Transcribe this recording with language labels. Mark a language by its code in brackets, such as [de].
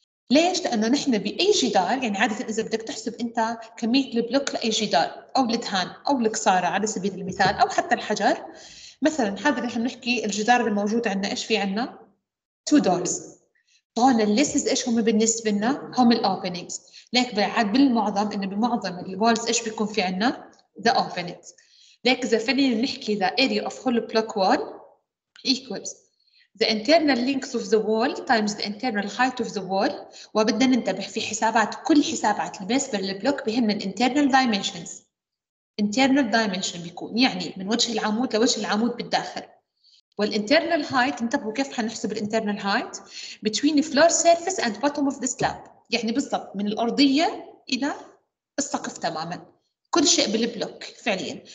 [ar] ليش؟ لأنه نحن بأي جدار، يعني عادة إذا بدك تحسب أنت كمية البلوك لأي جدار أو لدهان أو لكسارة على سبيل المثال أو حتى الحجر مثلاً، هذا اللي حنحكي الجدار الموجود عندنا إيش في عنا؟ [en] two doors. [ar] طبعاً الليسز إيش هم بالنسبة لنا؟ هم الأوبنينجز. لك بعد بالمعظم إنه بمعظم الوالز إيش بيكون في عنا؟ [en] the openings. [ar] لك إذا فعلياً نحكي [en] the area of whole block wall equals the internal length of the wall times the internal height of the wall. [ar] وبدنا ننتبه في حسابات، كل حسابات بالنسبة للبلوك بهم internal dimensions. internal dimension بيكون يعني من وجه العمود لوجه العمود بالداخل. والإنترنال هايت، انتبهوا كيف حنحسب الإنترنال هايت؟ [en] between floor surface and bottom of the slab، [ar] يعني بالضبط من الأرضية إلى السقف تماماً، كل شيء بالبلوك فعلياً.